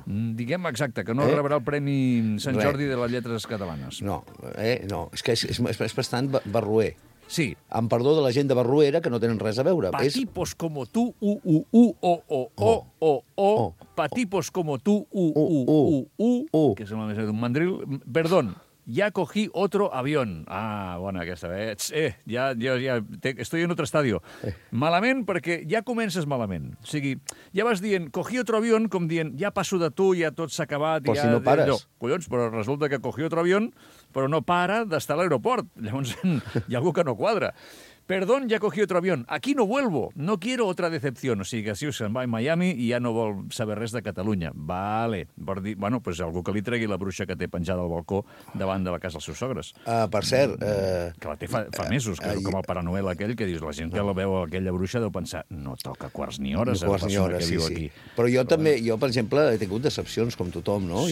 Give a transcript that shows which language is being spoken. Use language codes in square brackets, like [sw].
[ca] Diguem exacte, que no rebrà el Premi Sant Jordi de les Lletres Catalanes. No, és que és bastant barroer. Sí. Amb perdó de la gent de Barruera, que no tenen res a veure. [es] Patipos como tú, u-u-u-o-o-o-o-o. Patipos como tú, u-u-u-u-u. [ca] Que sembla més d'un mandril. [es] Perdón, ya cogí otro avión. [ca] Ah, bona aquesta. [es] Estoy en otro estadio. [ca] Malament, perquè ja comences malament. O sigui, ja vas dient, [es] cogí otro avión, [ca] com dient, ja passo de tu, ja tot s'ha acabat. Però si no pares. Collons, però resulta que [es] cogí otro avión, [ca] però no para d'estar a l'aeroport. Llavors, hi ha algú que no quadra. [es] Perdón, ya cogí otro avión. Aquí no vuelvo. No quiero otra decepción. [ca] O sigui, que si se'n va a Miami i ja no vol saber res de Catalunya. Vale. Per dir, bueno, pues algú que li tregui la bruixa que té penjada al balcó davant de la casa dels seus sogres. Per cert... Que la té fa mesos, que com el Pare Noel aquell, que dius, la gent que la veu aquella bruixa deu pensar, no toca quarts ni hores a la persona hores, que viu aquí. Però jo també, jo, per exemple, he tingut decepcions com tothom, no?